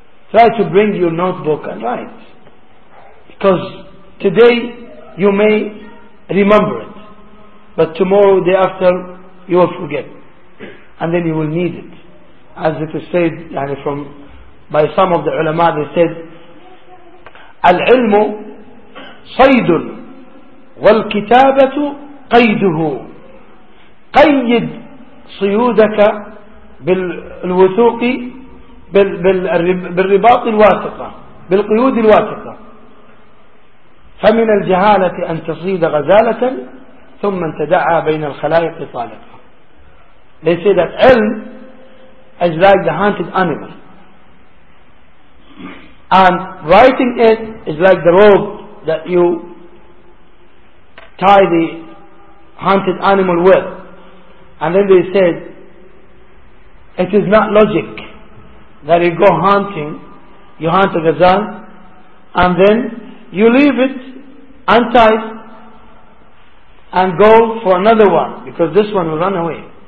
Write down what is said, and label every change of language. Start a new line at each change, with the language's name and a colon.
English: Try to bring your notebook and write. Because today you may remember it, but tomorrow, day after, you will forget. And then you will need it. As it is said by some of the ulama, they said,
Arabic: Al-ilmu saydun wal-kitabatu qayduhu. Qayyid صيودك بالوثوق بالرباط الواثقة بالقيود الواثقة فمن الجهالة أن تصيد غزالة ثم تدعى بين الخلائق طالقة.
English: They say that علم is like the hunted animal, and writing it is like the rope that you tie the hunted animal with. And then they said, it is not logic that you go hunting, you hunt a gazelle, and then you leave it untied and go for another one, because this one will run away.